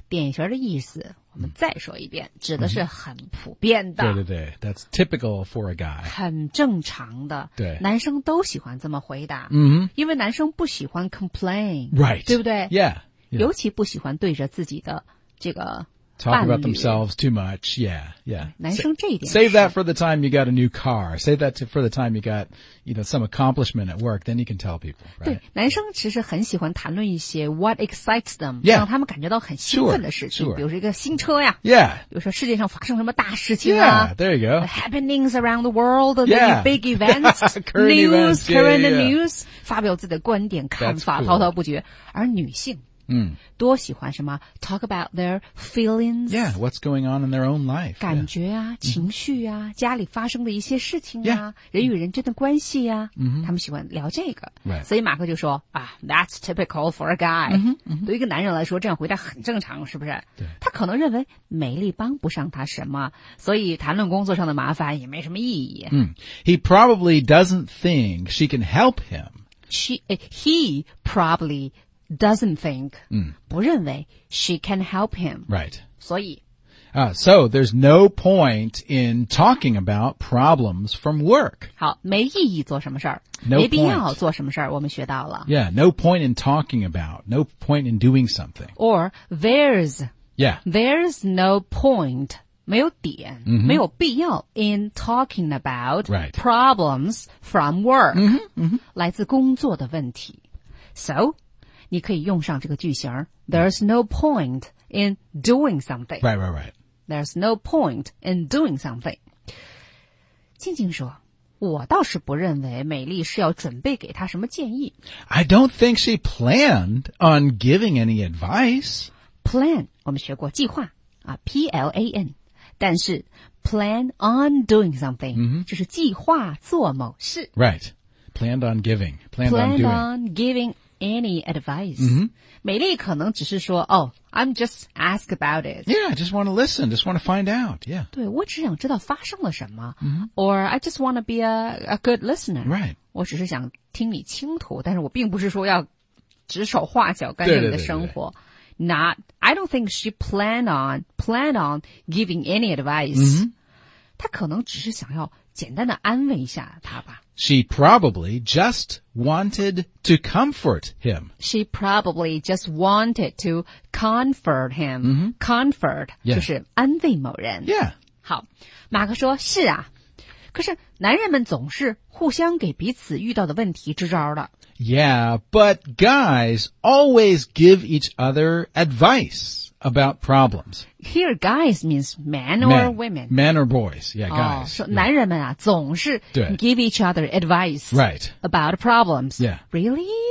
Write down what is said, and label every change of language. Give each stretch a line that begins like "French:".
Chinese: 典型的意思我们再说一遍、mm-hmm. 指的是很普遍的对对对
English: That's typical for a guy
Chinese: 很正常的对男生都喜欢这么回答嗯、mm-hmm. 因为男生不喜欢 complain
English: Right
Chinese: 对不对
English: yeah, yeah
Chinese: 尤其不喜欢对着自己的这个
English: Talk about themselves too much. Yeah, yeah.
Chinese: 男生这一点
English: Save that for the time you got a new car. Save that for the time you got, you know, some accomplishment at work. Then you can tell people, right?
Chinese: 对，男生其实很喜欢谈论一些
English: what excites them, yeah,
Chinese: 让他们感觉到很兴奋的事情。
English: Sure, sure.
Chinese: 比如说一个新车呀。
English: Yeah.
Chinese: 比如说世界上发生什么大事情啊。
English: Yeah, there you go. The happenings around the world, the、 yeah. big events, current news, events, current yeah, news, yeah.
Chinese: 发表自己的观点、看法、
English: cool.
Chinese: 滔滔不绝。而女性。嗯，多喜欢什么
English: ？Talk about their feelings. Yeah, what's going on in their own life?
Chinese: 感觉啊，
English: yeah.
Chinese: 情绪啊， mm-hmm. 家里发生的一些事情啊，
English: yeah.
Chinese: 人与人之间的关系啊，嗯、mm-hmm. ，他们喜欢聊这个。
English: Right.
Chinese: 所以马克就说啊
English: ，That's typical for a guy. Mm-hmm. Mm-hmm.
Chinese: 对于一个男人来说，这样回答很正常，是不是？对。他可能认为美丽帮不上他什么，所以谈论工作上的麻烦也没什么意义。
English: 嗯、He probably doesn't think she can help him. He probably. Doesn't think,、 mm.
Chinese: 不认为
English: she can help him. Right.
Chinese: 所以、
English: So there's no point in talking about problems from work.
Chinese: 好，没意义做什么事儿、
English: no、
Chinese: 没必要做什么事儿我们学到了。
English: Yeah, no point in talking about, no point in doing something. Or there's, yeah, there's no point,
Chinese: 没有点、 mm-hmm. 没有必要
English: in talking about、 right. problems from work,、 mm-hmm, mm-hmm.
Chinese: 来自工作的问题。So,你可以用上这个句型
English: There's no point in doing something. Right, right, right. There's no point in doing something.
Chinese: 静静说我倒是不认为美丽是要准备给她什么建议。
English: I don't think she planned on giving any advice.
Chinese: Plan, 我们学过计划啊 ,P-L-A-N. 但是
English: plan on doing something,、 mm-hmm.
Chinese: 就是计划做某事。
English: Right. Planned on giving. Planned, planned on doing. Planned on giving. Any advice?、 Mm-hmm.
Chinese: 美丽可能只是说
English: Oh, I'm just ask about it. Yeah, I just want to listen. Just want to find out. Yeah.
Chinese: 对，我只想知道发生了什么、 mm-hmm.
English: Or I just want to be a good listener. Right.
Chinese: 我只是想听你倾吐，但是我并不是说要指手画脚干涉你的生活。对对对对对
English: Not, I don't think she planned on giving any advice.、 Mm-hmm.
Chinese: 她可能只是想要简单的安慰一下他吧。
English: She probably just wanted to comfort him. She probably just wanted to comfort him.、 Mm-hmm. Comfort、 yeah.
Chinese: 就是安慰某人。
English: Yeah.
Chinese: 好，马克说是啊，可是男人们总是互相给彼此遇到的问题支招的。
English: Yeah, but guys always give each other advice. About problems. Here, guys means men or men. Women. Men or boys. Yeah, guys.、 Oh, so、
Chinese: 男人们啊总是
English: give each other advice、 right. about problems. Yeah. Really?、